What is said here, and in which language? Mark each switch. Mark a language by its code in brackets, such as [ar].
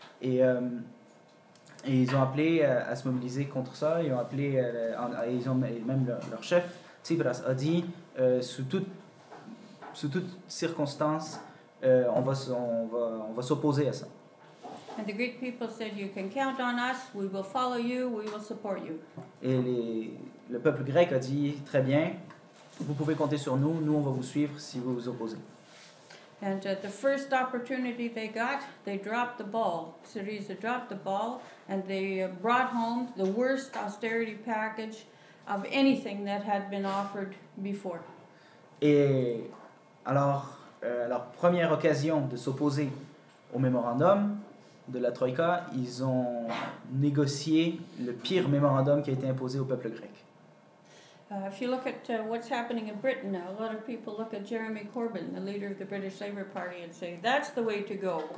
[fr] Et ils ont appelé à se mobiliser contre ça. Ils ont appelé, même leur chef, Tsipras, a dit sous toutes circonstances, on va s'opposer à ça. [en] And the Greek people said, you can count on us. We will follow you. We will support you. [fr] Et le peuple grec a dit très bien, vous pouvez compter sur nous. Nous, on va vous suivre si vous vous opposez. [en] And the first opportunity they got, they dropped the ball. Syriza dropped the ball, and they brought home the worst austerity package of anything that had been offered before. [fr] Et alors, leur première occasion de s'opposer au mémorandum de la Troïka, ils ont négocié le pire mémorandum qui a été imposé au peuple grec. [en] If you look at what's happening in Britain now, a lot of people look at Jeremy Corbyn, the leader of the British Labour Party, and say, that's the way to go.